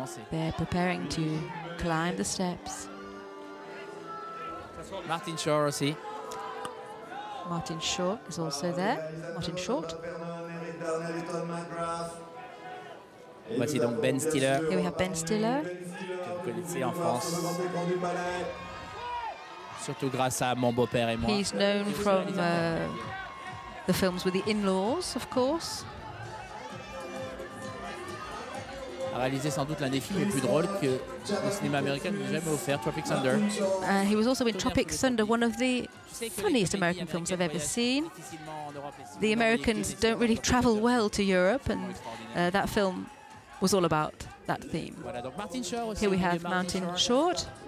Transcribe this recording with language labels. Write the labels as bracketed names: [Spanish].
[English] They're preparing to climb the steps. [French] Martin Short aussi. [English] Martin Short is also there. Martin Short. [French] Voici donc Ben Stiller. [English] Here we have Ben Stiller. [French] Que vous connaissez en France. Surtout grâce à Mon beau-père et moi. [English] He's known from the films with the in-laws, of course. [French] réalisé sans doute l'un des films les plus drôles que le cinéma américain nous a jamais offert, Tropic Thunder. [English] He was also in Tropic Thunder, one of the funniest American films I've ever seen. The Americans don't really travel well to Europe, and that film was all about that theme. Here we have Martin Short.